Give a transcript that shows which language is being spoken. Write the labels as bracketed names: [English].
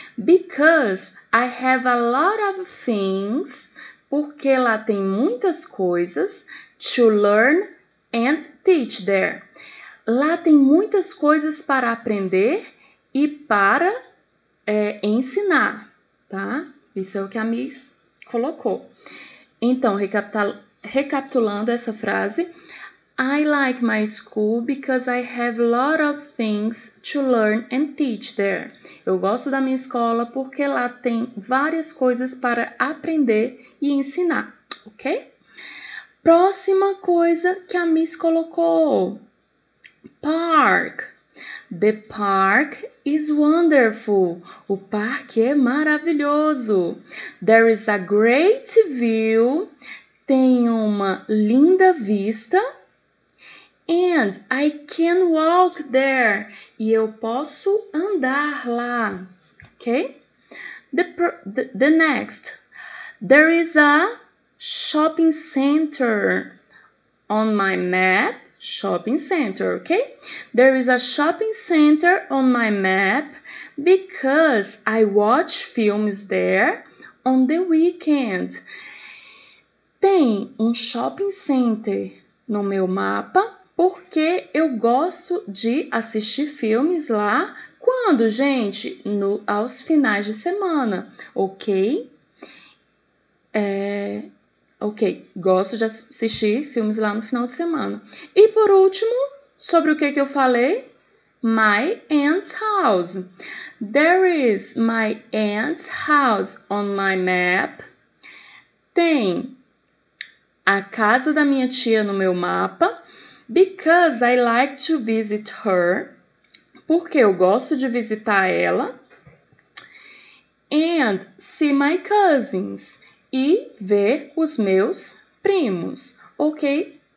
[English] Because I have a lot of things. [Portuguese] Porque lá tem muitas coisas. [English] To learn and teach there. [Portuguese] Lá tem muitas coisas para aprender e para ensinar, tá? Isso é o que a Miss colocou. Então, recapitulando essa frase, [English] I like my school because I have a lot of things to learn and teach there. [Portuguese] Eu gosto da minha escola porque lá tem várias coisas para aprender e ensinar, ok? Próxima coisa que a Miss colocou. Park. [English] The park is wonderful. [Portuguese] O parque é maravilhoso. [English] There is a great view. [Portuguese] Tem uma linda vista. [English] And I can walk there. [Portuguese] E eu posso andar lá. [English] Ok? The next. There is a shopping center on my map. Shopping center, ok? There is a shopping center on my map because I watch films there on the weekend. [Portuguese] Tem um shopping center no meu mapa porque eu gosto de assistir filmes lá. Quando, gente? Aos finais de semana, ok? Ok, gosto de assistir filmes lá no final de semana. E por último, sobre o que eu falei? [English] My aunt's house. There is my aunt's house on my map. [Portuguese] Tem a casa da minha tia no meu mapa. [English] Because I like to visit her. [Portuguese] Porque eu gosto de visitar ela. [English] And see my cousins. [Portuguese] E ver os meus primos, ok?